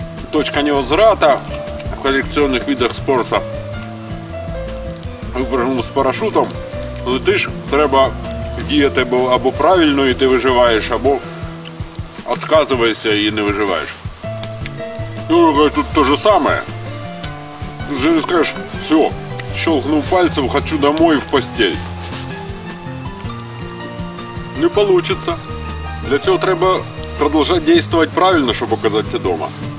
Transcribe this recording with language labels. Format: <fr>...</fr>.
<uk>точка невозврата в колекційних видах спорту, випрыгнув з парашутом, летиш, треба діяти або правильно і ти виживаєш, або відказуєшся і не виживаєш. Ну, тут то же саме. Вже не скажеш, все, щелкнув пальцем,</uk> <ru>хочу домой в постель. Не получится.</ru> <uk>Для цього треба продовжати діяти правильно, щоб оказатися вдома.</uk>